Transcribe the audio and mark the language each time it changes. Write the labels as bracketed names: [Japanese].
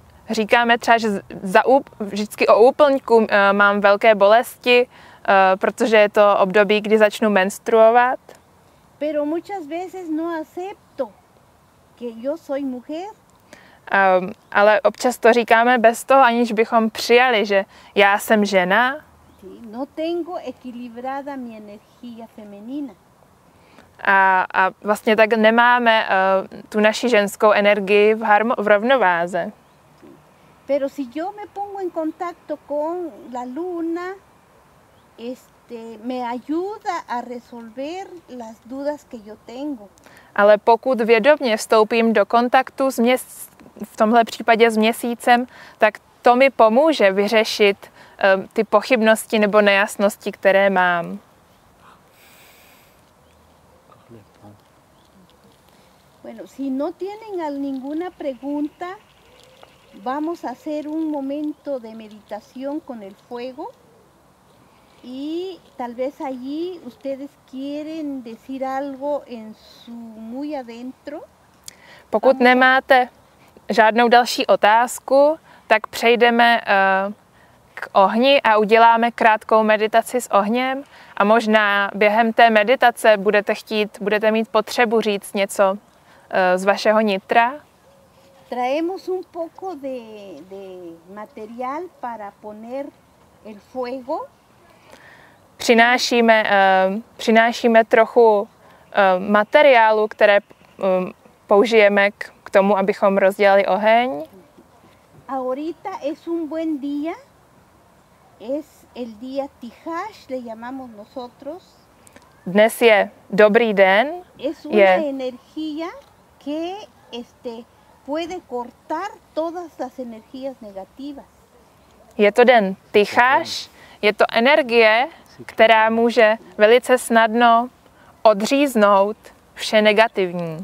[Czech] Říkáme třeba, že vždycky o úplňku mám velké bolesti, protože je to období, kdy začnu menstruovat. [Spanish] Pero muchas veces no acepto que yo soy mujer. [Czech] Ale občas to říkáme bez toho, aniž bychom přijali, že já jsem žena. [Spanish] No tengo equilibrada mi energía femenina. [Czech] A vlastně tak nemáme tu naši ženskou energii v rovnováze. [Spanish] Pero si yo me pongo en contacto con la luna, me ayuda a resolver las dudas que yo tengo. [Czech] Ale pokud vědomě vstoupím do kontaktu s v tomhle případě s měsícem, tak to mi pomůže vyřešit ty pochybnosti nebo nejasnosti, které mám. [Spanish] Bueno, si no tienen ninguna pregunta, vamos a hacer un momento de meditación con el fuego y tal vez allí ustedes quieren decir algo en su muy adentro. [Czech] Pokud nemáte žádnou další otázku, tak přejdeme k ohni a uděláme krátkou meditaci s ohněm a možná během té meditace budete mít potřebu říct něco z vašeho nitra. [Spanish] Traemos un poco de material para poner el fuego. [Czech] Přinášíme trochu materiálu, které použijeme k tomu, abychom rozdělali oheň. [Spanish] Ahorita es un buen día. Es el día Tihash, le llamamos nosotros. [Czech] Dnes je dobrý den. [Spanish] Es una energía que puede cortar todas las energías negativas. [Czech] Je to den Tihash, je to energie, která může velice snadno odříznout vše negativní.